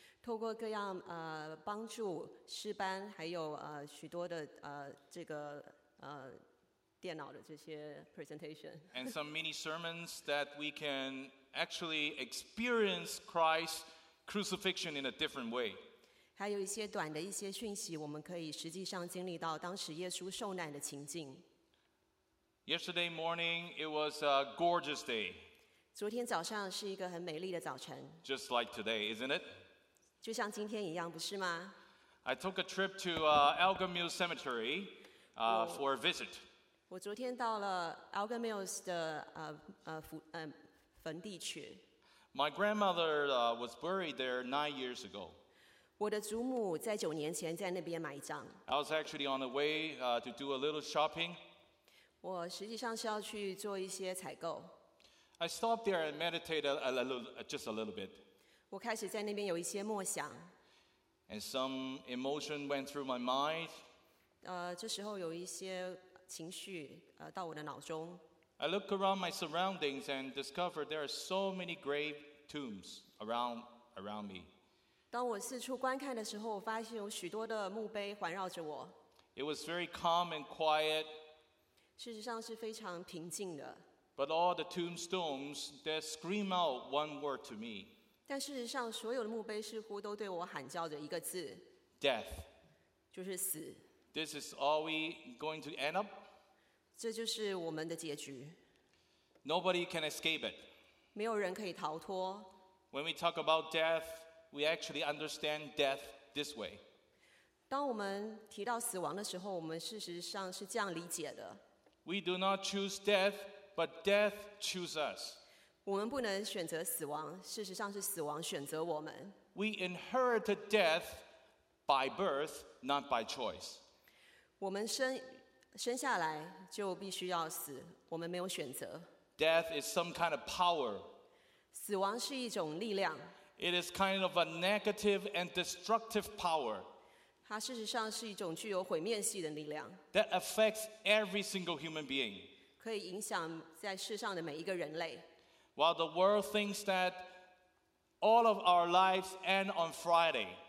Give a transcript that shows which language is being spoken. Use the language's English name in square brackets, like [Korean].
[Chinese] 透过各样帮助诗班，还有许多的这个电脑的这些 presentation. [English] And some mini sermons that we can actually experience Christ's crucifixion in a different way. [Chinese] 还有一些短的一些讯息，我们可以实际上经历到当时耶稣受难的情境。 [English] Yesterday morning, it was a gorgeous day. [Chinese] 昨天早上是一个很美丽的早晨。 [English] Just like today, isn't it? [Chinese] 就像今天一样，不是吗？ [English] I took a trip to Elgin Mills Cemetery for a visit. [Chinese] 我昨天到了 Elgin Mills 的坟地去。 [English] My grandmother was buried there 9 years ago. [Chinese] 我的祖母在九年前在那边埋葬。 [English] I was actually on the way to do a little shopping. [Chinese] 我实际上是要去做一些采购。 [English] I stopped there and meditated just a little bit. [Chinese] 我开始在那边有一些默想。 [English] And some emotion went through my mind. [Chinese] 这时候有一些情绪到我的脑中。 [English] I look around my surroundings and discover there are so many grave tombs around me. [Chinese] 当我四处观看的时候，我发现有许多的墓碑环绕着我。 [English] It was very calm and quiet. [Chinese] 事实上是非常平静的。 [English] But all the tombstones that scream out one word to me. [Chinese] 但事实上，所有的墓碑似乎都对我喊叫着一个字。 [English] Death. [Chinese] 就是死。 [English] This is all we going to end up. [Chinese] 这就是我们的结局。 [English] Nobody can escape it. [Chinese] 没有人可以逃脱。 [English] When we talk about death, we actually understand death this way. [Chinese] 当我们提到死亡的时候，我们事实上是这样理解的。 [English] We do not choose death, but death chooses us. [Chinese] 我们不能选择死亡，事实上是死亡选择我们。 [English] We inherit death by birth, not by choice. [Chinese] 我们生下来就必须要死，我们没有选择。 [English] Death is some kind of power. [Chinese] 死亡是一种力量。 [English] It is kind of a negative and destructive power. [Chinese] 它事实上是一种具有毁灭性的力量。 [English] That affects every single human being. [Chinese] 可以影响在世上的每一个人类。 [English] While the world thinks that all of our lives end on Friday.